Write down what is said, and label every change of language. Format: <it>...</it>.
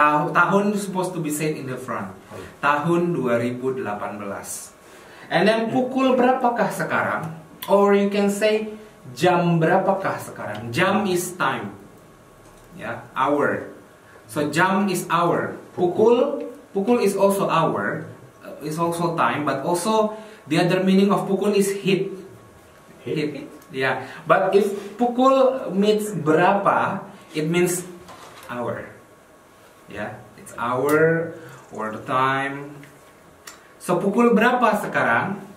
<en>Tahun supposed to be said in the front.</en> <id>Tahun 2018.</id> <en>And then</en> <id>pukul berapakah sekarang?</id> <en>Or you can say</en> <id>jam berapakah sekarang?</id> <en>Jam is time. Yeah, hour. So jam is hour. Pukul is also hour. It's also time, but also the other meaning of pukul is hit. Hit. Yeah. But if pukul meets berapa, it means hour. Yeah, it's hour or the time. So</en> <id>pukul berapa sekarang?</id>